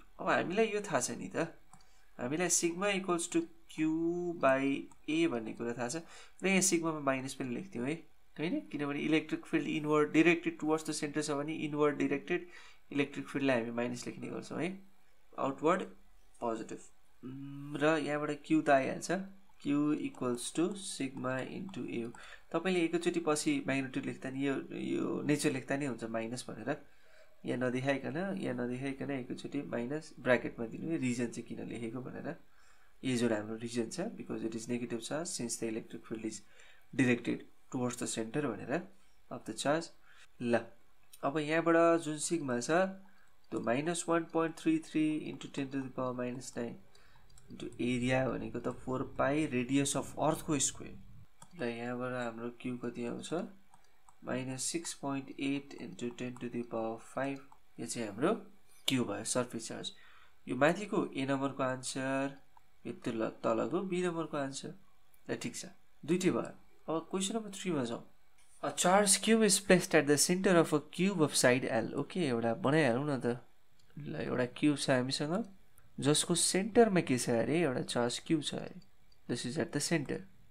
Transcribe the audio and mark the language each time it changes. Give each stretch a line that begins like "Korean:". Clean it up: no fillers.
Nepali: अब हामीलाई यो थाहा छ नि त हामीलाई sigma equals to Q by ए भन्ने कुरा थाहा छ र यहाँ सिग्मामा माइनस पनि लेख्थ्यौँ है होइन किनभने
English: electric field inward directed towards the centre
Nepali: छ भने इनवर्ड डिरेक्टेड इलेक्ट्रिक फिल्डलाई हामी माइनस लेख्ने गर्छौँ है आउटवर्ड पोजिटिभ. र यहाँबाट क्यू त आइहाल्छ.
English: Q equals to sigma into A.
Nepali: तपाईँले एकैचोटि पछि म्याग्नेट्युड लेख्दा नि यो नेचर लेख्दा नै हुन्छ माइनस भनेर यहाँ नदेखाइकन एकैचोटि माइनस ब्राकेटमा दिनु रिजन चाहिँ किन लेखेको भनेर. यो जो हाम्रो रिजन छ
English: Because it is negative charge since the electric field is directed towards the centre भनेर of the charge.
Nepali: ल अब यहाँबाट जुन सिग्मा छ त्यो −1.33 × 10⁻¹⁹ इन्टु एरिया भनेको त 4 पाई रेडियस अफ अर्थको स्क्वायर. ल यहाँबाट हाम्रो क्यू कति आउँछ −6.8 × 10⁻¹⁵. यो चाहिँ हाम्रो क्यू भयो सर्फेस चार्ज. यो माथिको ए नम्बरको आन्सर यत्रो तलको बी नम्बरको आन्सर ल ठिक छ दुइटै भयो. अब क्वेसन नम्बर थ्रीमा जाउँ.
English: A charge Q is placed at the centre of a cube of side L.
Nepali: Okay एउटा बनाइहालौँ न त. ल एउटा क्यूब छ हामीसँग जसको सेन्टरमा के छ अरे एउटा चार्ज क्यू छ अरे
English: This is at the centre.